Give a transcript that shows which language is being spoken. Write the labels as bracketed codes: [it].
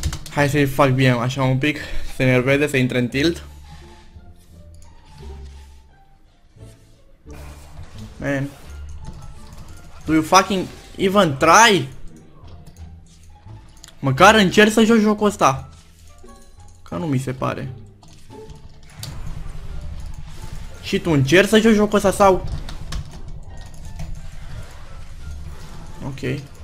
[ro] Hai să-i fac bine așa un pic, să ne vede, să intre în tilt. [en] Man. Do you fucking even try? [ro] Măcar încerc să joc jocul ăsta. Ca nu mi se pare. Și tu încerci să joci jocul ăsta sau? [en] Ok.